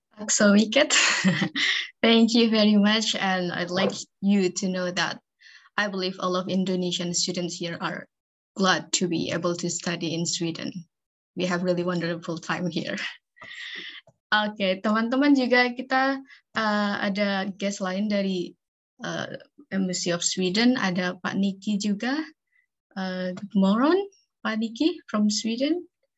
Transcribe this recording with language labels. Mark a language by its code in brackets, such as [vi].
[en] So we get. Thank you very much, and I'd like you to know that I believe all of Indonesian students here are glad to be able to study in Sweden. We have really wonderful time here. [id] Okay, teman-teman, juga kita ada guest lain dari Embassy of Sweden, ada Pak Niki juga. [en] Good morning, Pak Niki from Sweden.